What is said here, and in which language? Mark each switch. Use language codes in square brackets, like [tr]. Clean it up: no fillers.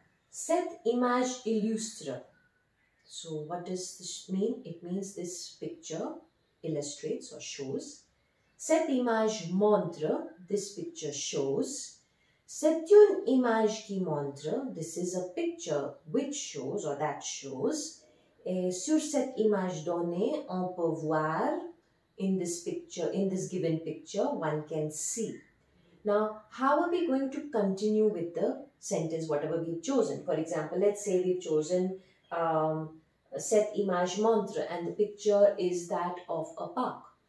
[fr] Cette image illustre. [en] So what does this mean? It means this picture illustrates or shows. [fr] Cette image montre. [en] This picture shows. [fr] C'est une image qui montre. [en] This is a picture which shows or that shows. [fr] Et sur cette image donnée, on peut voir. [en] In this picture, in this given picture, one can see. Now, how are we going to continue with the sentence, whatever we've chosen? For example, let's say we've chosen [fr] cette image montre [en] and the picture is that of a park.